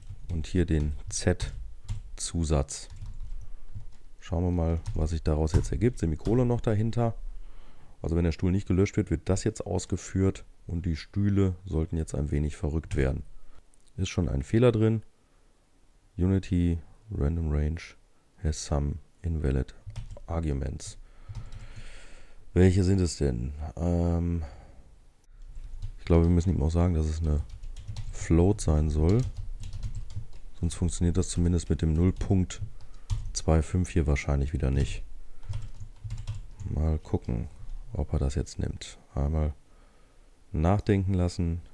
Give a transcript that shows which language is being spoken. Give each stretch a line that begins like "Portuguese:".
German: Und hier den z-Zusatz. Schauen wir mal, was sich daraus jetzt ergibt. Semikolon noch dahinter. Also wenn der Stuhl nicht gelöscht wird, wird das jetzt ausgeführt. Und die Stühle sollten jetzt ein wenig verrückt werden. Ist schon ein Fehler drin.
English: Unity Random Range has some invalid arguments.
German: Welche sind es denn? Ich glaube, wir müssen ihm auch sagen, dass es eine Float sein soll. Sonst funktioniert das zumindest mit dem 0,25 hier wahrscheinlich wieder nicht. Mal gucken, ob er das jetzt nimmt. Einmal nachdenken lassen.